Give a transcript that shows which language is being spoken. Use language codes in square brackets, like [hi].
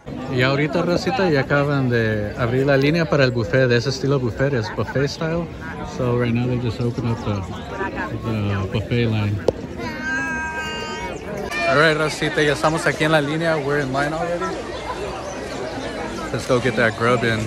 [es] Y ahorita, Rosita, ya acaban de abrir la línea para el buffet, de ese estilo buffet, es buffet style. [en] So right now they just opened up the buffet line. [es] All right, Rosita, ya estamos aquí en la línea. [en] We're in line already. Let's go get that grub in.